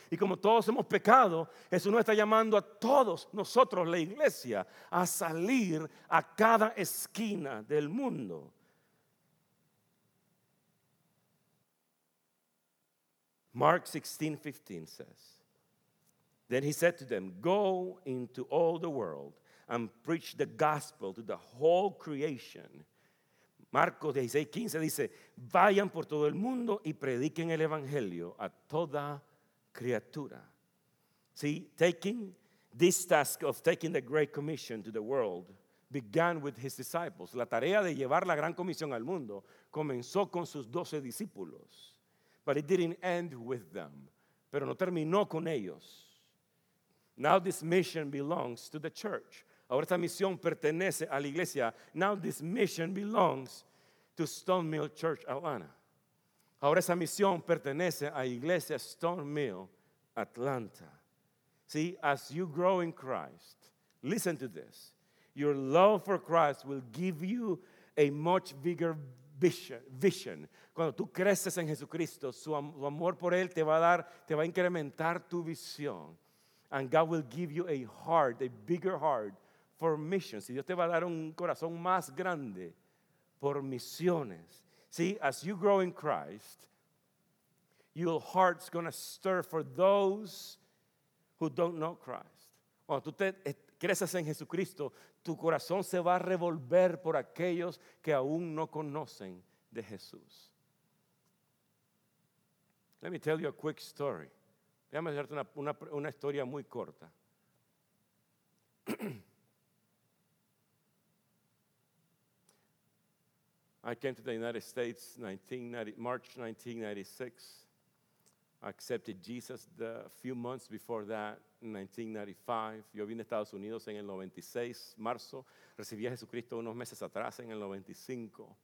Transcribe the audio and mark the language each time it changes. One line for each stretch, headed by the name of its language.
Spanish: Y como todos hemos pecado, Jesús nos está llamando a todos nosotros, la iglesia, a salir a cada esquina del mundo.
English: Mark 16:15 says, then he said to them, go into all the world and preach the gospel to the whole creation.
Spanish: Marcos 16:15 dice, vayan por todo el mundo y prediquen el evangelio a toda criatura.
English: See, taking this task of taking the great commission to the world began with his disciples.
Spanish: La tarea de llevar la gran comisión al mundo comenzó con sus 12 discípulos.
English: But it didn't end with them.
Spanish: Pero no terminó con ellos.
English: Now this mission belongs to the church.
Spanish: Ahora esta misión pertenece a la iglesia.
English: Now this mission belongs to Stone Mill Church, Atlanta.
Spanish: Ahora esa misión pertenece a Iglesia Stone Mill, Atlanta.
English: See, as you grow in Christ, listen to this. Your love for Christ will give you a much bigger vision.
Spanish: Cuando tú creces en Jesucristo, su amor por él te va a incrementar tu visión.
English: And God will give you a heart, a bigger heart for missions.
Spanish: Y Dios te va a dar un corazón más grande por misiones.
English: See, as you grow in Christ, your heart's going to stir for those who don't know Christ.
Spanish: Cuando tú creces en Jesucristo, tu corazón se va a revolver por aquellos que aún no conocen de Jesús.
English: Let me tell you a quick story.
Spanish: Déjame hacerte una historia muy corta.
English: I came to the United States March 1996. I accepted Jesus a few months before that, in 1995.
Spanish: Yo vine a Estados Unidos en el 96, marzo. Recibí a Jesucristo unos meses atrás, en el 95.